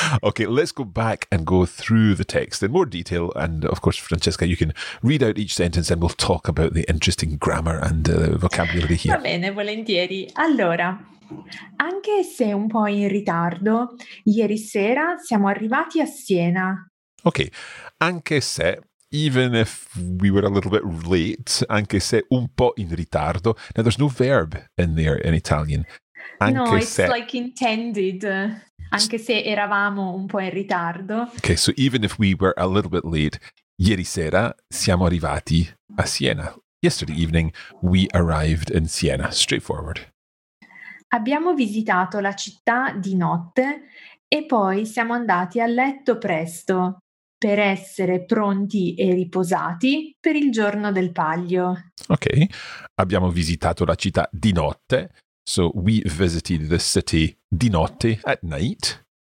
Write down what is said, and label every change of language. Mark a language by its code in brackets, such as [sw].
[en] Okay, let's go back and go through the text in more detail. And of course, Francesca, you can read out each sentence and we'll talk about the interesting grammar and vocabulary here. [it] Va bene, volentieri. Allora, anche se un po' in ritardo, ieri sera siamo arrivati a Siena. [en] Okay, anche se... Even if we were a little bit late, anche se un po' in ritardo. Now, there's no verb in there in Italian. [it] Anche [en] no, it's [it] se... like intended. Anche se eravamo un po' in ritardo. [en] Okay, so even if we were a little bit late, ieri sera siamo arrivati a Siena. Yesterday evening, we arrived in Siena. Straightforward. [it] Abbiamo visitato la città di notte e poi siamo andati a letto presto. Per essere pronti e riposati per il giorno del palio. Ok, abbiamo visitato la città di notte. [en] So we visited the city di notte, at night.